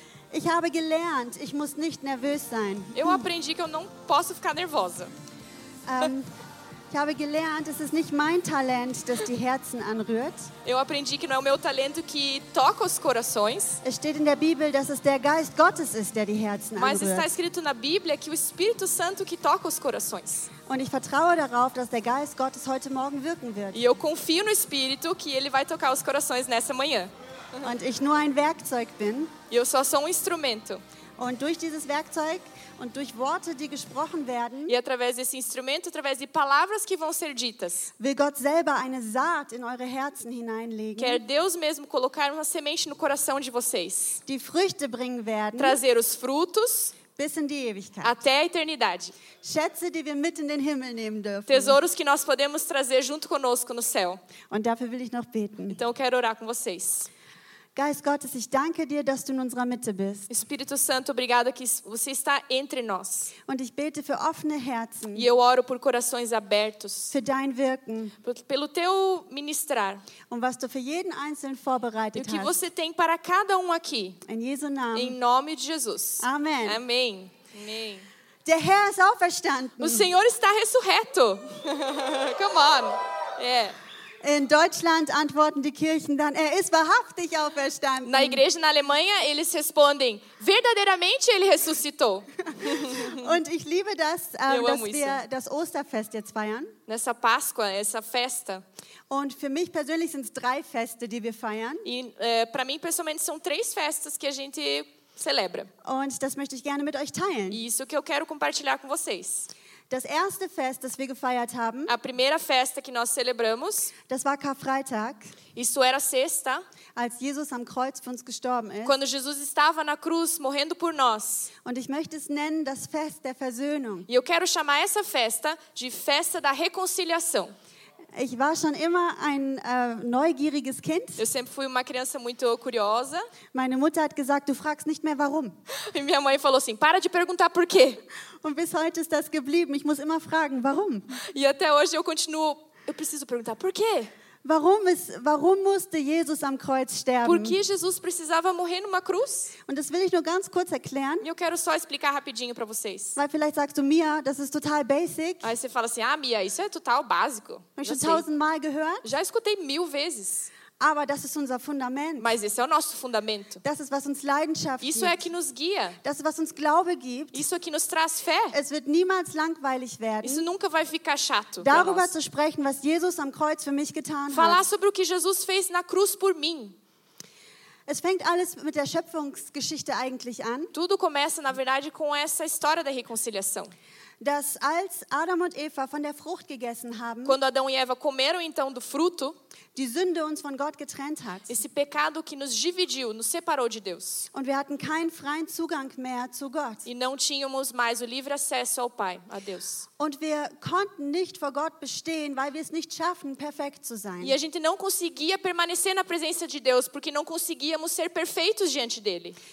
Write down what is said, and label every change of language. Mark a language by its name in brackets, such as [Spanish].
[German] Ich habe gelernt, ich muss nicht nervös sein. [Portuguese] Eu aprendi que eu não posso ficar nervosa. [German] Ich habe gelernt, es ist nicht mein Talent, das die Herzen anrührt. [Portuguese] Eu aprendi que não é o meu talento que toca os corações. [German] Es steht in der Bibel, dass es der Geist Gottes ist, der die Herzen anrührt. [Portuguese] Mas está escrito na Bíblia que o Espírito Santo que toca os corações. [German] Und ich vertraue darauf, dass der Geist Gottes heute Morgen wirken wird. [Portuguese] E eu confio no Espírito que ele vai tocar os corações nessa manhã. [German] Und ich nur ein Werkzeug bin. [Portuguese] E eu só sou instrumento. [German] Und durch dieses Werkzeug und durch Worte, die gesprochen werden, [Portuguese] e através desse instrumento, através de palavras que vão ser ditas, [German] will Gott selber eine Saat in eure Herzen hineinlegen, [Portuguese] quer Deus mesmo colocar uma semente no coração de vocês, [German] die Früchte bringen werden, [Portuguese] trazer os frutos, [German] bis in die Ewigkeit, [Portuguese] até a eternidade, [German] Schätze, die wir mit in den Himmel nehmen dürfen, [Portuguese] tesouros que nós podemos trazer junto conosco no céu. [German] Und dafür will ich noch beten. [Portuguese] Então eu quero orar com vocês. [German] Geist Gottes, ich danke dir, dass du in unserer Mitte bist. [Portuguese] Espírito Santo, obrigada que você está entre nós. [German] Und ich bete für offene Herzen. [Portuguese] E eu oro por corações abertos. [German] Für dein Wirken. [Portuguese] Pelo teu ministrar. [German] Und was du für jeden Einzelnen vorbereitet hast. [Portuguese] E o que você tem para cada aqui. [German] In Jesu Namen. [Portuguese] Em nome de Jesus. [German] Amen. Amen. [Portuguese] Amen. [German] Der Herr ist auferstanden. [Portuguese] O Senhor está ressurreto. [English] Come on. Yeah. [German] In Deutschland antworten die Kirchen dann, er ist wahrhaftig auferstanden. [Portuguese] Na igreja na Alemanha eles respondem, verdadeiramente ele ressuscitou. [German] Und ich liebe das, dass wir das Osterfest jetzt feiern. [Portuguese] Nessa Páscoa, essa festa. [German] Und für mich persönlich sind es drei Feste, die wir feiern. [Portuguese] E para mim pessoalmente são três festas que a gente celebra. [German] Und das möchte ich gerne mit euch teilen. [Portuguese] Isso que eu quero compartilhar com vocês. [German] Das erste Fest, das wir gefeiert haben. [Portuguese] A primeira festa que nós celebramos. [German] Das war Karfreitag. [Portuguese] Isso era sexta. [German] Als Jesus am Kreuz für uns gestorben ist. [Portuguese] Quando Jesus estava na cruz morrendo por nós. [German] Und ich möchte es nennen das Fest der Versöhnung. [Portuguese] E eu quero chamar essa festa de Festa da Reconciliação. [German] Ich war schon immer ein neugieriges Kind. [Portuguese] Eu sempre fui uma criança muito curiosa. [German] Meine Mutter hat gesagt, du fragst nicht mehr warum. [Portuguese] E minha mãe falou assim, para de perguntar por quê. [German] Und bis heute ist das geblieben. Ich muss immer fragen, warum? [Portuguese] E até hoje eu continuo, eu preciso perguntar, por quê? [German] Warum musste Jesus am Kreuz sterben? [Portuguese] Por que Jesus precisava morrer numa cruz? [German] Und das will ich nur ganz kurz erklären. [Portuguese] Eu quero só explicar rapidinho para vocês. [German] Weil vielleicht sagst du, Mia, das ist total basic. [Portuguese] Aí você fala assim, ah, Mia, isso é total básico. [German] Hast du schon tausendmal gehört? [Portuguese] Já escutei mil vezes. [German] Aber das ist unser Fundament. [Portuguese] Mas esse é o nosso fundamento. [German] Das ist, was uns Leidenschaft [Portuguese] isso [German] gibt. [Portuguese] É que nos guia. [German] Das ist, was uns Glaube gibt. [Portuguese] Isso é que nos traz fé. [German] Es wird niemals langweilig werden. [Portuguese] Isso nunca vai ficar chato. [German] Darüber zu sprechen, was Jesus am Kreuz für mich getan [Portuguese] falar [German] hat. [Portuguese] Sobre o que Jesus fez na cruz por mim. [German] Es fängt alles mit der Schöpfungsgeschichte eigentlich an. [Portuguese] Tudo começa, na verdade, com essa história da reconciliação. [German] Dass als Adam und Eva von der Frucht gegessen haben, [Portuguese] quando Adão e Eva comeram então do fruto, [German] die Sünde uns von Gott getrennt hat. [Portuguese] Esse pecado que nos dividiu, nos separou de Deus. [German] Und wir hatten keinen freien Zugang mehr zu Gott. [Portuguese] E não tínhamos mais o livre acesso ao Pai, a Deus. [German] Und wir konnten nicht vor Gott bestehen, weil wir es nicht schaffen, perfekt zu sein. [Portuguese] E a gente não conseguia permanecer na presença de Deus, porque não conseguíamos ser perfeitos diante dele.